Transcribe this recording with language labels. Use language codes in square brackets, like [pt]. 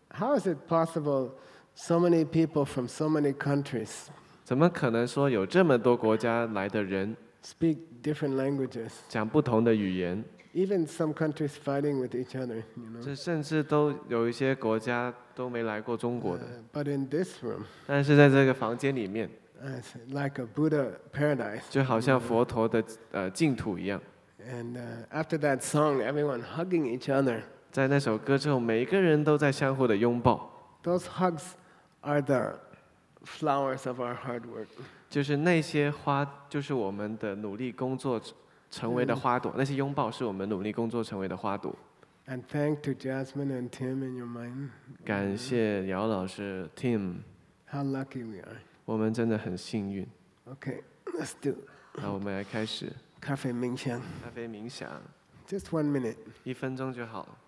[en] How is it possible so many people from so many countries? [zh] 怎么可能说有这么多国家来的人？ [en] Speak different languages. [zh] 讲不同的语言。 [en] Even some countries fighting with each other, you know. [zh] 这甚至都有一些国家都没来过中国的。 [en] But in this room. [zh] 但是在这个房间里面。 [en] It's like a Buddha paradise. [zh] 就好像佛陀的净土一样。 [en] And after that song, everyone hugging each other. [zh] 在那首歌之后，每一个人都在相互的拥抱。 [en] Those hugs are the flowers of our hard work. [zh] 就是那些花，就是我们的努力工作成为的花朵。那些拥抱是我们努力工作成为的花朵。 [en] And thank to Jasmine and Tim in your mind. [zh] 感谢姚老师 Tim. [en] How lucky we are. [zh] 我们真的很幸运。 [en] Okay, let's do. [zh] 那我们来开始。咖啡冥想。咖啡冥想。 [en] Just 1 minute. [zh] 一分钟就好。